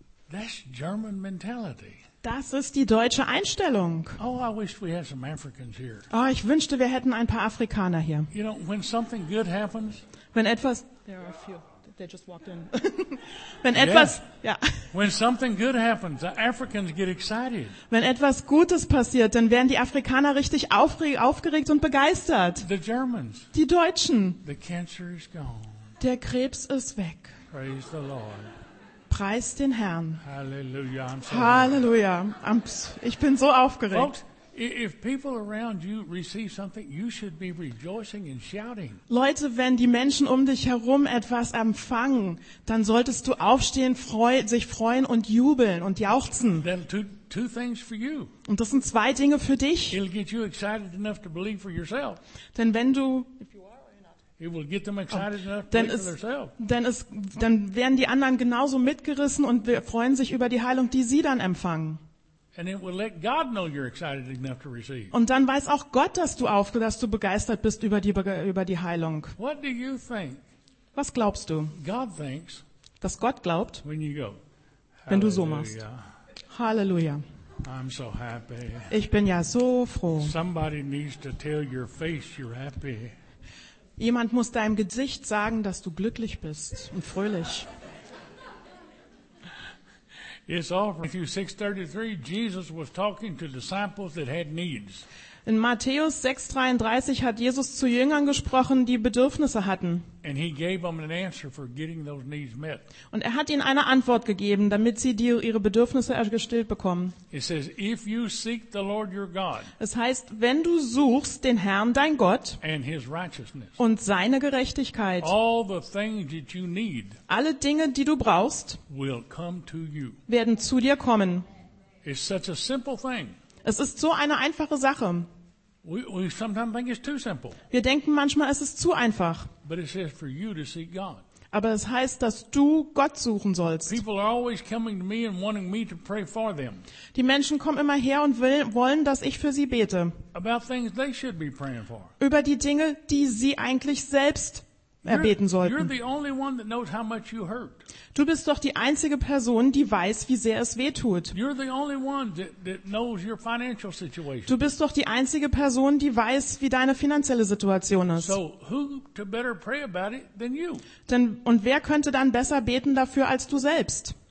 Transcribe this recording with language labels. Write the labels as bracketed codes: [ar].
[en] That's German mentality. [de] Das ist die deutsche Einstellung. [en] Oh, I wish we had some Africans here. [de] Oh, ich wünschte, wir hätten ein paar Afrikaner hier. [en] You know, when something good happens, [de] wenn etwas, [en] there are a few. They just walked in. [de] Wenn etwas, yeah. Ja. [en] When something good happens, the Africans get excited. [de] Wenn etwas Gutes passiert, dann werden die Afrikaner richtig aufgeregt und begeistert. [en] The Germans. [de] Die Deutschen. [en] The cancer is gone. [de] Der Krebs ist weg. [en] Praise the Lord. [de] Preis den Herrn. Halleluja. Halleluja. Ich bin so aufgeregt. [en] If people around you receive something, you should be rejoicing and shouting. [de] Leute, wenn die Menschen um dich herum etwas empfangen, dann solltest du aufstehen, sich freuen und jubeln und jauchzen. [en] Then two things for you. [de] Und das sind zwei Dinge für dich. [en] It'll get you excited enough to believe for yourself. [de] Denn wenn du [en] it will get them excited enough to believe for themselves. [de] Dann werden die anderen genauso mitgerissen und wir freuen sich über die Heilung, die sie dann empfangen. [en] And it will let God know you're excited enough to receive. [de] Und dann weiß auch Gott, dass du begeistert bist über die Heilung. [en] What do you think? [de] Was glaubst du? [en] God thinks. [de] Dass Gott glaubt. [en] When you go. [de] Wenn du so machst. Halleluja. [en] I'm so happy. [de] Ich bin ja so froh. [en] Somebody needs to tell your face you're happy. [de] Jemand muss deinem Gesicht sagen, dass du glücklich bist und fröhlich. [en] It's all from Matthew 6:33. Jesus was talking to disciples that had needs. [de] In Matthäus 6,33 hat Jesus zu Jüngern gesprochen, die Bedürfnisse hatten. [en] And he gave them an answer for getting those needs met. [de] Und er hat ihnen eine Antwort gegeben, damit sie ihre Bedürfnisse gestillt bekommen. [en] It says, if you seek the Lord your God, [de] es heißt, wenn du suchst den Herrn, dein Gott, [en] and his righteousness, [de] und seine Gerechtigkeit, [en] all the things that you need, [de] alle Dinge, die du brauchst, [en] will come to you. [de] Werden zu dir kommen. [en] It's such a simple thing. [de] Es ist so eine einfache Sache. [en] We sometimes think it's too simple. [de] Wir denken manchmal, es ist zu einfach. [en] But it says for you to seek God. [de] Aber es heißt, dass du Gott suchen sollst. [en] People are always coming to me and wanting me to pray for them. [de] Die Menschen kommen immer her und wollen, dass ich für sie bete. [en] About things they should be praying for. [de] Über die Dinge, die sie eigentlich selbst erbeten sollten. [en] You're the only one that knows how much you hurt. [de] Du bist doch die einzige Person, die weiß, wie sehr es wehtut. [en] You're the only one that knows your financial situation. [de] Du bist doch die einzige Person, die weiß, wie deine finanzielle Situation ist. [en] So, who to better pray about it than you? [de] Denn, und wer könnte dann besser beten dafür als du selbst?